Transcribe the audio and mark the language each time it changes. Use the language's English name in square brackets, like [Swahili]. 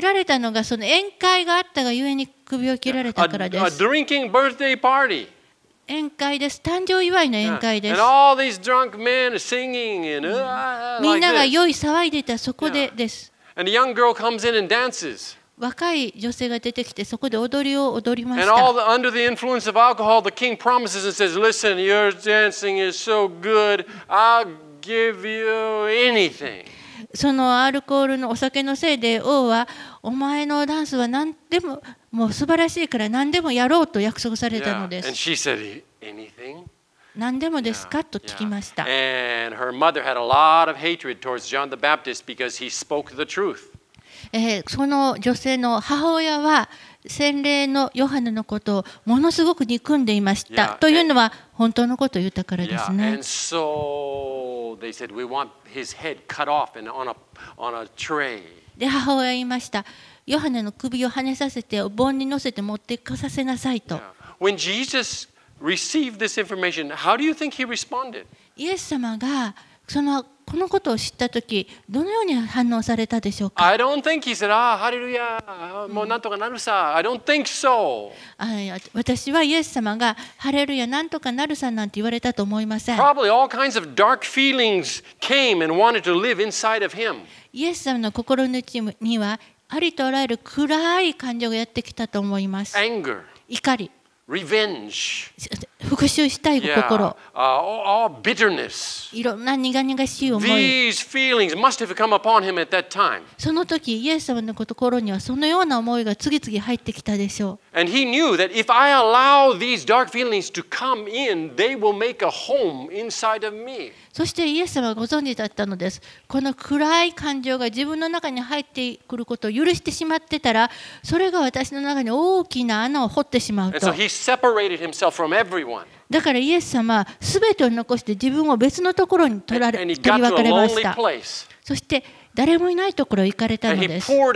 [Japanese] られたのがその宴会があったがゆえに首を切られたからです。 [English] A drinking birthday party. [Japanese] 宴会です。誕生祝いの宴会です。 [English] And all these drunk men singing and [Japanese] みんなが酔い騒いでいたそこでです。 [English] And a young girl comes in and dances. [Japanese] 若い女性が出てきてそこで踊りを踊りました。 [English] And all under the influence of alcohol, the king promises and says, "Listen, your dancing is so good, I'll give you anything." [Japanese] そのアルコールのお酒のせいで王はお前のダンスは何でももう素晴らしいから何でもやろうと約束されたのです。 [English] And she said, "Anything?" [Japanese] 何でもですかと聞きました。 [English] And her mother had a lot of hatred towards John the Baptist because he spoke the truth. [Japanese] その女性の母親は洗礼のヨハネのことをものすごく憎んでいましたというのは本当のことを言ったからですね。 [English] And so they said, we want his head cut off and on a tray. [Japanese] で母親は言いました。ヨハネの首をはねさせてお盆に乗せて持ってかさせなさいと。 [English] When Jesus received this information, how do you think he responded? [Japanese] イエス様がそのこのことを知ったとき、どのように反応されたでしょうか。 [English] I don't think he said, ah, hallelujah, [Japanese] もうなんとかなるさ。 [English] I don't think so. [Japanese] 私はイエス様がハレルヤなんとかなるさなんて言われたと思いません。 [English] Probably all kinds of dark feelings came and wanted to live inside of him. [Japanese] イエス様の心の内にはありとあらゆる暗い感情がやってきたと思います。 [English] Anger. [Japanese] 怒り。 [English] Revenge. [Japanese] 復讐したい心。 [English] Yeah. All bitterness. [Japanese] いろんな苦々しい思い。 [English] These feelings must have come upon him at that time. [Japanese] その時、イエス様の心にはそのような思いが次々入ってきたでしょう。 [English] And he knew that if I allow these dark feelings to come in, they will make a home inside of me. [Japanese] そしてイエス様はご存知だったのです。この暗い感情が自分の中に入ってくることを許してしまってたら、それが私の中に大きな穴を掘ってしまうと。 [English] And so he separated himself from everyone. [Japanese] だからイエス様は全てを残して自分を別のところに取り分かれました。そして誰もいないところに行かれたのです。